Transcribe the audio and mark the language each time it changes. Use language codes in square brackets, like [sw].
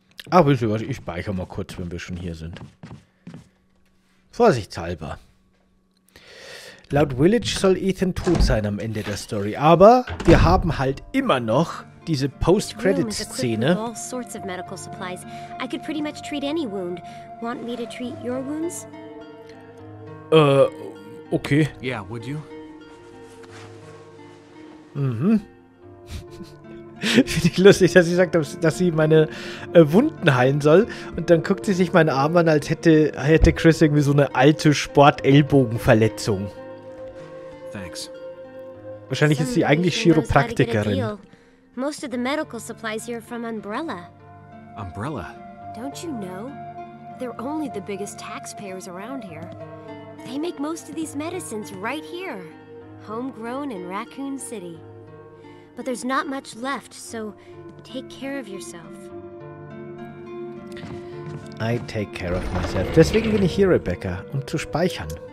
[de] Ach, wisst ihr was? Ich speichere mal kurz, wenn wir schon hier sind. Vorsichtshalber. Laut Village soll Ethan tot sein am Ende der Story, aber wir haben halt immer noch diese Post-Credit-Szene. [en] All sorts of medical supplies. I could pretty much treat any wound. Want me to treat your wounds? Okay. Yeah, would you? Mhm. [de] Finde ich lustig, dass sie sagt, dass sie meine Wunden heilen soll. Und dann guckt sie sich meinen Arm an, als hätte Chris irgendwie so eine alte Sport-Ellbogen-Verletzung. [en] Thanks. [de] Wahrscheinlich ist sie eigentlich Chiropraktikerin. [en] Most of the medical supplies here are from Umbrella. Umbrella? Don't you know? They're only the biggest taxpayers around here. They make most of these medicines right here. Homegrown in Raccoon City. But there's not much left, so take care of yourself. I take care of myself. [de] Deswegen bin ich hier, Rebecca, um zu speichern.